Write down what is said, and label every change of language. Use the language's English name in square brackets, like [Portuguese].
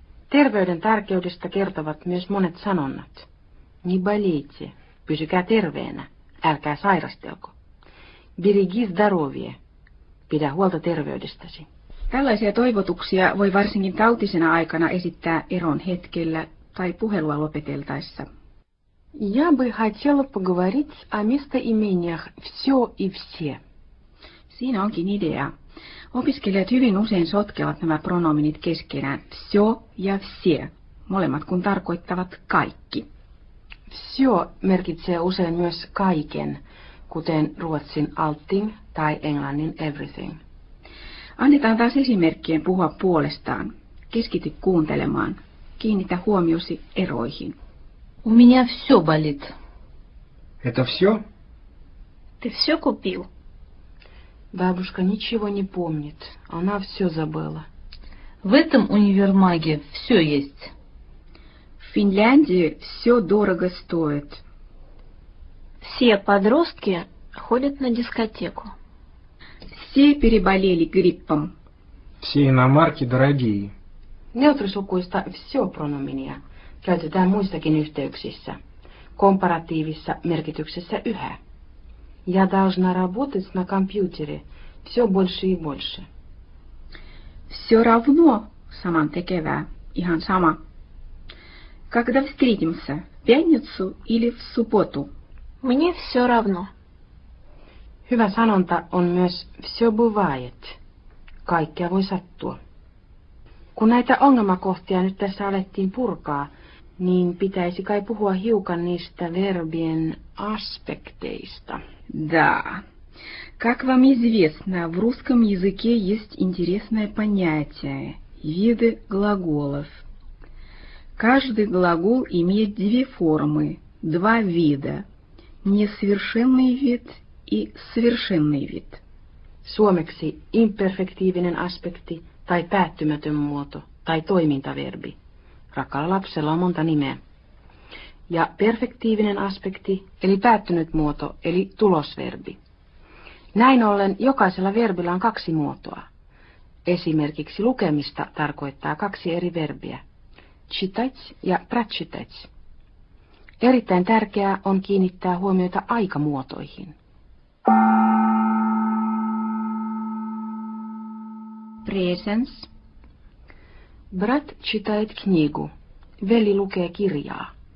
[Finnish] Terveyden tärkeydestä kertovat myös monet sanonnat. [Russian] «Не болейте», [Finnish] «пysykää terveenä», «älkää sairastelko». [Russian] «Береги здоровье», [Finnish] «pidä huolta terveydestäsi». Tällaisia toivotuksia voi varsinkin tautisena aikana esittää eron hetkellä tai puhelua lopeteltaessa. Я бы хотела поговорить о местоимениях «всё» и «все». Siinä onkin idea. Opiskelijat hyvin usein sotkevat nämä pronominit keskenään «всё» ja «все», molemmat kun tarkoittavat «kaikki». «Всё» merkitsee usein myös «kaiken», kuten ruotsin «allting» tai englannin «everything». Annetaan taas esimerkkien puhua puolestaan. Keskity kuuntelemaan. Kiinnitä huomiosi eroihin. [Russian] У меня все болит. Это все? Ты все купил? Бабушка ничего не помнит. Она все забыла. В этом универмаге все есть. В Финляндии все дорого стоит. Все подростки ходят на дискотеку. Все переболели гриппом. Все иномарки дорогие. Нетрису куста все прону меня. [Finnish] Käytetään muissakin yhteyksissä, komparatiivissa merkityksessä yhä. [Russian] Я должна работать на компьютере все больше и больше. Все равно, [Finnish] самантекевää, ihan sama. [Russian] Когда встретимся, в пятницу или в субботу? Мне все равно. [Finnish] Hyvä sanonta on myös [Russian] все бывает. [Finnish] Kaikkea voi sattua. Kun näitä ongelmakohtia nyt tässä alettiin purkaa, niin pitäisi kai puhua hiukan niistä verbien aspekteista. [Russian] Да. Как вам известно, в русском языке есть интересное понятие – виды глаголов. Каждый глагол имеет две формы, два вида – несовершенный вид и совершенный вид. [Finnish] Suomeksi imperfektiivinen aspekti tai päättymätön muoto tai toimintaverbi. Rakkaalla lapsella on monta nimeä. Ja perfektiivinen aspekti, eli päättynyt muoto, eli tulosverbi. Näin ollen jokaisella verbillä on kaksi muotoa. Esimerkiksi lukemista tarkoittaa kaksi eri verbiä. [Russian] Читать ja прочитать. [Finnish] Erittäin tärkeää on kiinnittää huomiota aikamuotoihin. Presens. [Russian] Брат читает книгу. [Finnish] Veli lukee kirjaa.